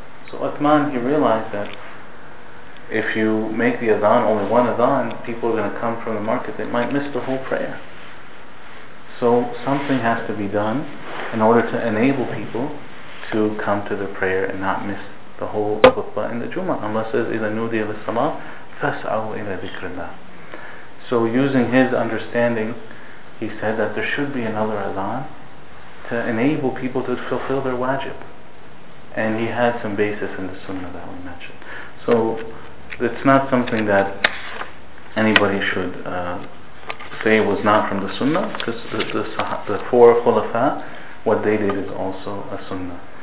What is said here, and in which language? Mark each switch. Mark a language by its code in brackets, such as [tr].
[en] So Uthman, he realized that if you make the adhan, only one adhan, people are going to come from the market, they might miss the whole prayer. So something has to be done in order to enable people to come to the prayer and not miss the whole khutbah in the Jummah. Allah says, [ar] إِذَا نُودِيَ لِلصَّلَاةِ فَاسْعَوْا إِلَى ذِكْرِ اللَّهِ. [en] So using his understanding, he said that there should be another adhan to enable people to fulfill their wajib. And he had some basis in the sunnah that we mentioned. So it's not something that anybody should say was not from the sunnah, because the four khulafa, what they did is also a sunnah.